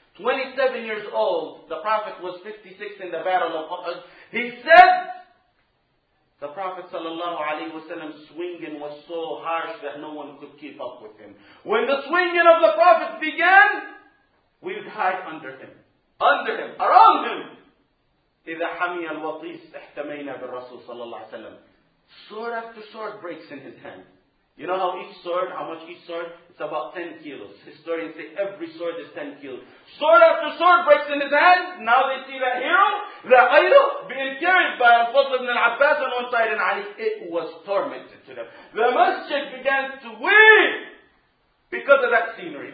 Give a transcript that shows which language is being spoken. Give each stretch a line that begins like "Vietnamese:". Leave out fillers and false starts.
English: 27 years old, the Prophet was 56 in the battle of Uhud. He said, the Prophet sallallahu alaihi wasallam swinging was so harsh that no one could keep up with him. When the swinging of the Prophet began, we'd hide under him. Under him. Around him.
Arabic: إِذَا حَمِيَ الْوَطِيسِ اِحْتَمَيْنَا بِالرَّسُولِ صَلَى اللَّهُ عَلَيْهِ
English: Sword after sword breaks in his hand. You know how each sword, how much each sword? It's about 10 kilos. Historians say every sword is 10 kilos. Sword after sword breaks in his hand. Now they see that hero, that idol, being carried by Al-Fadl ibn al-Abbas on one side and Ali. It was tormented to them. The masjid began to weep because of that scenery.